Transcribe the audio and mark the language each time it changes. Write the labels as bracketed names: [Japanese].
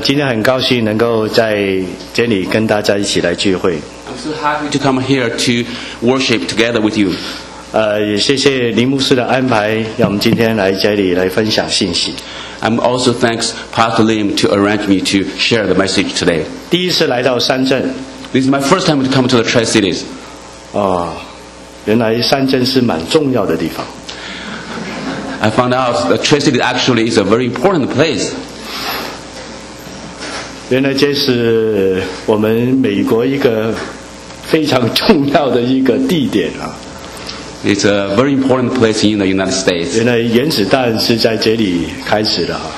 [Chinese] 今天很高兴能够在这里跟大家一起来聚会。 [English] I'm so happy to come here to worship together with you. [Chinese] 也谢谢林牧师的安排，让我们今天来这里来分享信息。 [English] I'm also thanks Pastor Lim to arrange me to share the message today. [Chinese] 第一次来到三镇。 [English] This is my first time to come to the Tri-Cities. [Chinese] 原来三镇是蛮重要的地方。 [English] I found out that Tri-City actually is a very important place. [Chinese] 原来这是我们美国一个非常重要的一个地点啊。 [English] It's a very important place in the United States. [Chinese] 原来原子弹是在这里开始的啊。